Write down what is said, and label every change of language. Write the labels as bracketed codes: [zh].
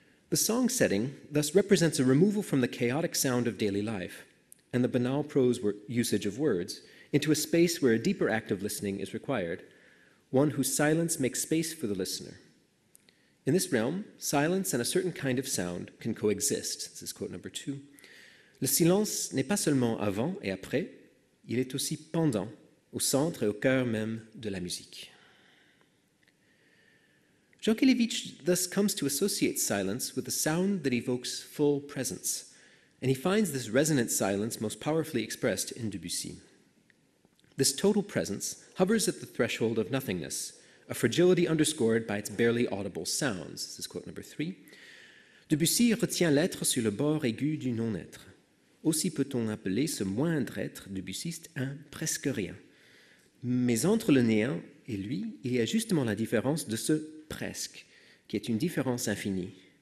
[en] The song setting thus represents a removal from the chaotic sound of daily life and the banal prose usage of words into a space where a deeper act of listening is required, one whose silence makes space for the listener. In this realm, silence and a certain kind of sound can coexist. This is quote number two. [fr] Le silence n'est pas seulement avant et après, il est aussi pendant, au centre et au cœur même de la musique. [en] Jankélévitch thus comes to associate silence with a sound that evokes full presence, and he finds this resonant silence most powerfully expressed in Debussy. This total presence hovers at the threshold of nothingness, a fragility underscored by its barely audible sounds. This is quote number three. [fr] Debussy retient l'être sur le bord aigu du non-être. Aussi peut-on appeler ce moindre être debussiste un presque rien. Mais entre le néant et lui, il y a justement la différence de ce presque, qui est une différence infinie.